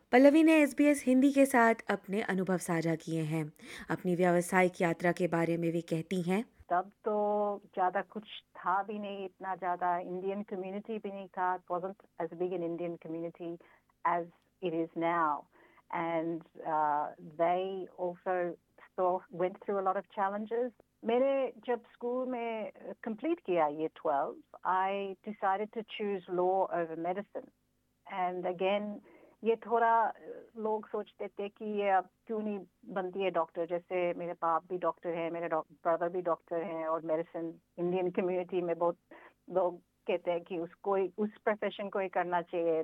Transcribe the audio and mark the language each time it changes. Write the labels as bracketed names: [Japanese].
[Hindi] पल्लवी ने SBS हिंदी के साथ अपने अनुभव साझा किए हैं। अपनी व्यावसायिक यात्रा के बारे में भी कहती हैं। तब तो ज्यादा कुछ था भी नहीं, इतना ज्यादा इंडियन कम्युनिटी भी नहीं था। [English] It wasn't as big an Indian community as it is now. And they also went through a lot of challenges. [Hindi] मैंने जब स्कूल में कंप्लीट किया [English] year 12, I decided to choose law over medicine. [Hindi] And again, ये थोड़ा लोग सोचते थे कि ये अब क्यों नहीं बनती है डॉक्टर, जैसे मेरे पाप भी डॉक्टर हैं, मेरे ब्रदर भी डॉक्टर हैं, और मेडिसिन इंडियन कम्युनिटी में बहुत लोग कहते हैं कि उसको उस प्रोफेशन को ही करना चाहिए।